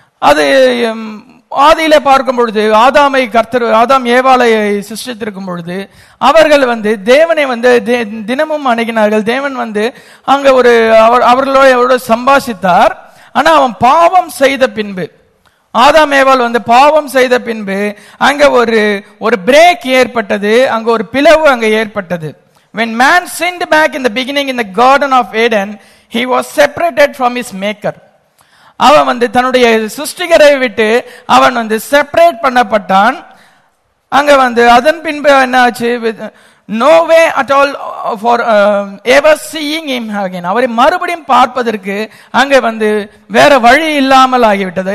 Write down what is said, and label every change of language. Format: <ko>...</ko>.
<ta>அது ஆதியில பார்க்கும் பொழுது ஆதாமை கர்த்தர் ஆதாம் ஏவாலையை சிருஷ்டித்திருக்கும் பொழுது அவர்கள் வந்து தேவனை வந்து தினமும் அணுகினார்கள். தேவன் வந்து அங்க ஒரு அவர்களோட சம்பாஷித்தார். ஆனா அவன் பாவம் செய்த பின்பு, ஆதாம் ஏவாள் வந்து பாவம் செய்த பின்பு அங்க ஒரு பிரேக் ஏற்பட்டது, அங்க ஒரு பிளவு அங்க ஏற்பட்டது.</ta> <en>When man sinned back in the beginning in the garden of Eden, he was separated from his maker.</en> <ta>அவன் வந்து தன்னுடைய சிருஷ்டிகரை விட்டு அவன் வந்து செப்பரேட் பண்ணப்பட்டான். அங்க வந்து அதன் பின்பு என்ன ஆச்சு,</ta> <en>no way at all forever seeing him again,</en> <ta>அவரை மறுபடியும் பார்ப்பதற்கு அங்க வந்து வேற வழி இல்லாமல் ஆகிவிட்டது.</ta>